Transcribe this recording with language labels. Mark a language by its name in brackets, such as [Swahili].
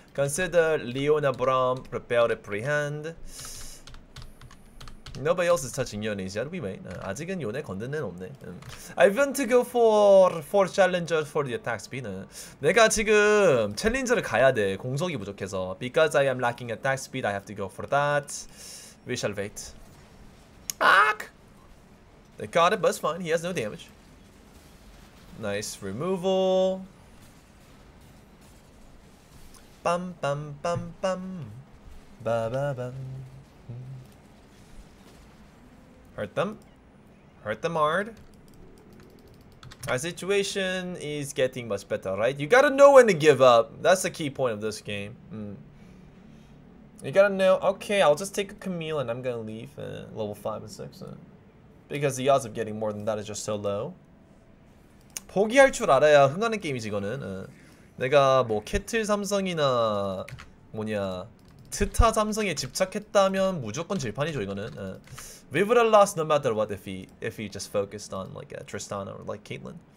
[English] Consider Leona Brom prepared pre-hand. Nobody else is touching Yone yet. We wait. [Korean] 아직은 Yone 건든 애는 없네. [English] I want to go for four challengers for the attack speed. [Korean] 내가 지금 챌린저를 가야 돼. 공속이 부족해서. [English] Because I am lacking attack speed, I have to go for that. We shall wait. Ah! They caught it, but it's fine. He has no damage. Nice removal. Bam, bam, bam, bam. Ba, ba, bam. Hurt them hard. Our situation is getting much better, right? You gotta know when to give up. That's the key point of this game. You gotta know. Okay, I'll just take a Camille and I'm gonna leave at level 5 and 6. Because the odds of getting more than that is just so low. [Korean] 포기할 줄 알아야 흥하는 게임이지, 이거는. 내가 뭐 캐틀 삼성이나 뭐냐 트타 삼성에 집착했다면 무조건 질판이죠, 이거는. [English] We would have lost no matter what if he just focused on like Tristana or like Caitlyn.